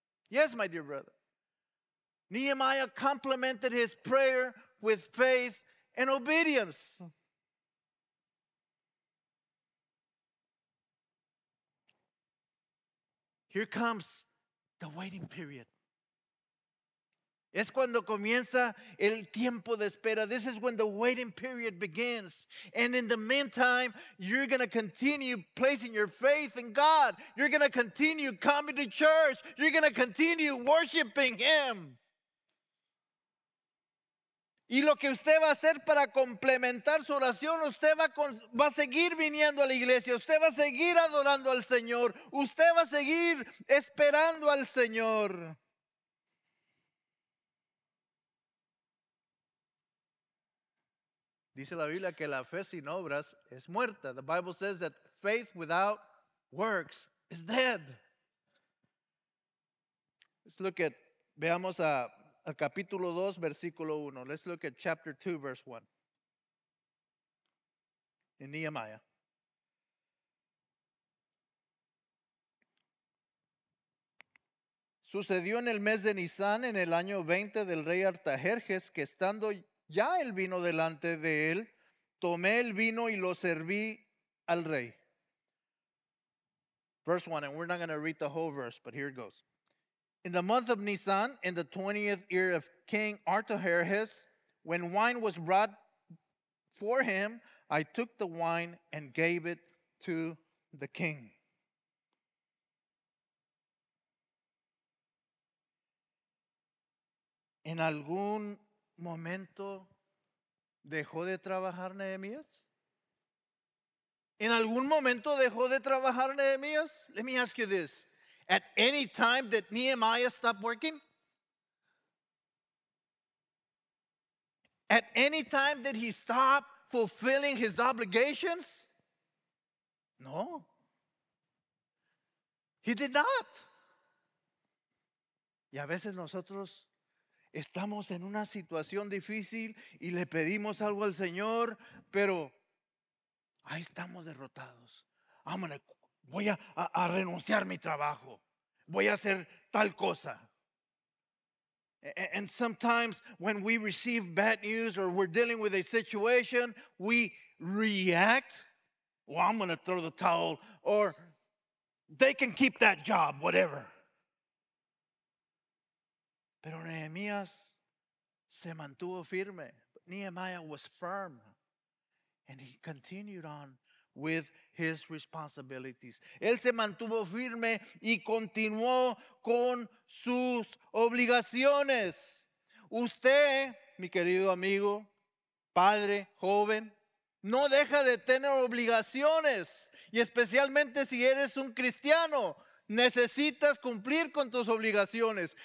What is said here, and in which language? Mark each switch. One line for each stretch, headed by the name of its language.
English: Yes, my dear brother. Nehemiah complemented his prayer with faith and obedience. Here comes the waiting period.
Spanish: Es cuando comienza el tiempo de espera.
English: This is when the waiting period begins. And in the meantime, you're going to continue placing your faith in God. You're going to continue coming to church. You're going to continue worshiping Him.
Spanish: Y lo que usted va a hacer para complementar su oración, usted va a seguir viniendo a la iglesia. Usted va a seguir adorando al Señor. Usted va a seguir esperando al Señor. Dice la Biblia que la fe sin obras es muerta.
English: The Bible says that faith without works is dead. Let's look at,
Spanish: veamos a capítulo 2, versículo 1.
English: Let's look at chapter 2, verse 1. In Nehemiah.
Spanish: Sucedió en el mes de Nisan, en el año 20 del rey Artajerjes, que estando ya el vino delante de él, tomé el vino y lo serví al rey.
English: Verse 1, and we're not going to read the whole verse, but here it goes. In the month of Nisan, in the 20th year of King Artaxerxes, when wine was brought for him, I took the wine and gave it to the king.
Spanish: En algún momento dejó de trabajar Nehemías? En algún momento dejó de trabajar Nehemías?
English: Let me ask you this. At any time that Nehemiah stopped working? At any time did he stop fulfilling his obligations? No. He did not.
Spanish: Y a veces nosotros estamos en una situación difícil y le pedimos algo al Señor, pero ahí estamos derrotados. Voy a renunciar a mi trabajo. Voy a hacer tal cosa.
English: And sometimes when we receive bad news or we're dealing with a situation, we react. Well, I'm going to throw the towel. Or they can keep that job, whatever.
Spanish: Pero Nehemías se mantuvo firme.
English: Nehemiah was firm. And he continued on with his responsibilities.
Spanish: Él se mantuvo firme y continuó con sus obligaciones. Usted, mi querido amigo, padre, joven, no deja de tener obligaciones. Y especialmente si eres un cristiano, necesitas cumplir con tus obligaciones.